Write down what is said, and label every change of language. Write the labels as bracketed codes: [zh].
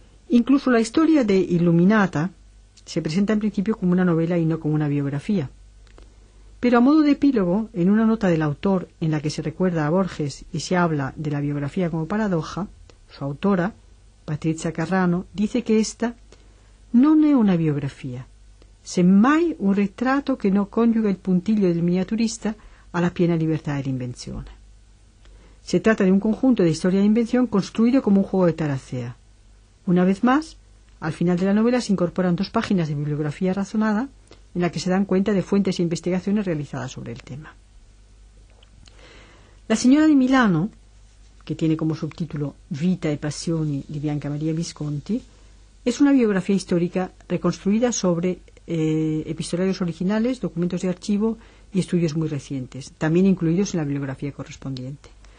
[es] Incluso la historia de Illuminata se presenta en principio como una novela y no como una biografía. Pero a modo de epílogo, en una nota del autor en la que se recuerda a Borges y se habla de la biografía como paradoja, su autora, Patrizia Carrano, dice que esta [it] non è una biografia, semmai un ritratto che non coniuga il puntiglio del miniaturista alla piena libertà dell'invenzione. Si tratta di un conjunto di storia e invenzione costruito come un gioco di taracea. [es] Una vez más, al final de la novela se incorporan dos páginas de bibliografía razonada en la que se dan cuenta de fuentes e investigaciones realizadas sobre el tema. La señora de Milano, que tiene como subtítulo [it] Vita e Passioni di Bianca Maria Visconti, [es] es una biografía histórica reconstruida sobre epistolarios originales, documentos de archivo y estudios muy recientes, también incluidos en la bibliografía correspondiente.